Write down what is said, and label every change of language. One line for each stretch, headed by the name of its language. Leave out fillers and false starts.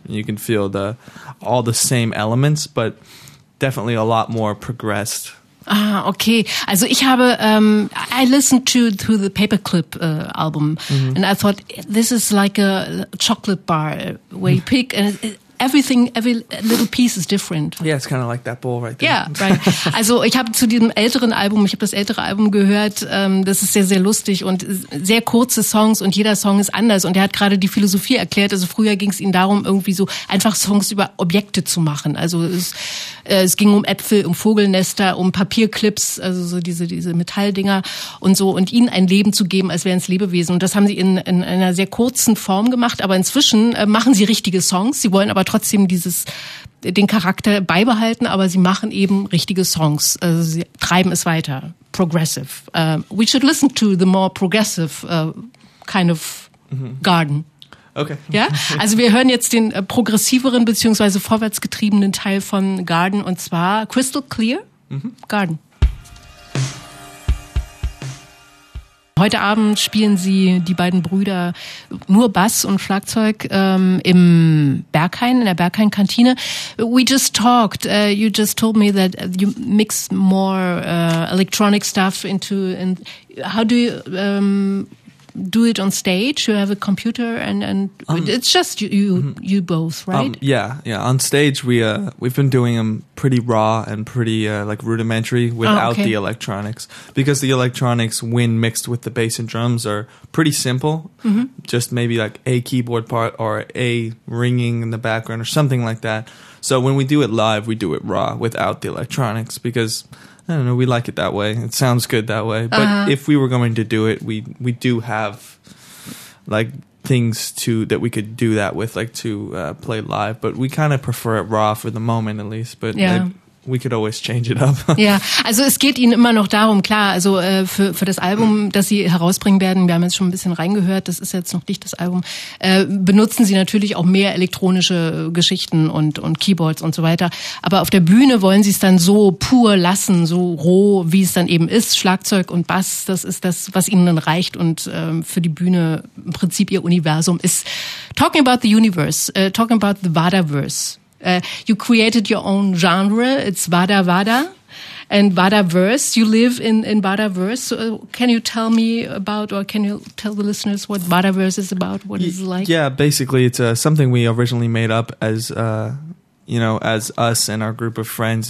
English: You can feel all the same elements. But definitely a lot more progressed. Ah, okay.
German: Also ich habe
English: I listened to the Paperclip album, mm-hmm. and I thought, this is like a chocolate bar where you pick and everything, every little piece is different. Yeah, it's kind of like that bowl right there. Yeah, right.
German: Also ich habe zu diesem älteren Album, ich habe das ältere Album gehört, das ist sehr, sehr lustig und sehr kurze Songs und jeder Song ist anders. Und er hat gerade die Philosophie erklärt, also früher ging es ihm darum, irgendwie so einfach Songs über Objekte zu machen. Also es ging um Äpfel, um Vogelnester, um Papierclips, also so diese Metalldinger und so. Und ihnen ein Leben zu geben, als wären es Lebewesen. Und das haben sie in einer sehr kurzen Form gemacht. Aber inzwischen machen sie richtige Songs. Sie wollen aber trotzdem den Charakter beibehalten. Aber sie machen eben richtige Songs. Also sie treiben es weiter. Progressive.
English: We should listen to the more progressive kind of mm-hmm. garden. Okay.
German: Ja, also wir hören jetzt den progressiveren beziehungsweise vorwärtsgetriebenen Teil von Garden und zwar Crystal Clear mhm. Garden. Heute Abend spielen sie, die beiden Brüder, nur Bass und Schlagzeug im Berghain, in der Berghain-Kantine.
English: We just talked, you just told me that you mix more electronic stuff into, and how do you... do it on stage, you have a computer and it's just you mm-hmm. you both, right? Yeah on stage we've been doing them pretty raw and pretty like rudimentary without the electronics, because the electronics when mixed with the bass and drums are pretty simple, mm-hmm. just maybe like a keyboard part or a ringing in the background or something like that. So when we do it live, we do it raw without the electronics, because I don't know, we like it that way. It sounds good that way. But uh-huh. if we were going to do it, we do have like things that we could do that with, like to play live. But we kind of prefer it raw for the moment at least. But yeah. We could always change it up.
German: Ja, also es geht ihnen immer noch darum, klar, also für das Album, das sie herausbringen werden, wir haben jetzt schon ein bisschen reingehört, das ist jetzt noch nicht das Album, benutzen sie natürlich auch mehr elektronische Geschichten und Keyboards und so weiter. Aber auf der Bühne wollen sie es dann so pur lassen, so roh, wie es dann eben ist. Schlagzeug und Bass, das ist das, was ihnen dann reicht und für die Bühne im Prinzip ihr Universum ist.
English: Talking about the universe, talking about the Vadaverse. You created your own genre. It's Vada Vada and Vada Verse. You live in Vada Verse. So, can you tell me about, or can you tell the listeners what Vada Verse is about? What is it like? Yeah, basically, it's something we originally made up as, you know, as us and our group of friends.